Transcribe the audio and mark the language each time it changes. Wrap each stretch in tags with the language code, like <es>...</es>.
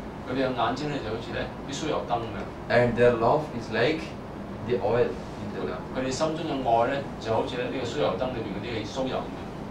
<yue>佢哋嘅眼睛咧就好似咧啲酥油燈咁樣。</yue> <en>And their love is like the oil in the lamp.</en> <yue>佢哋心中嘅愛咧就好似咧呢個酥油燈裏邊嗰啲酥油咁樣。</yue>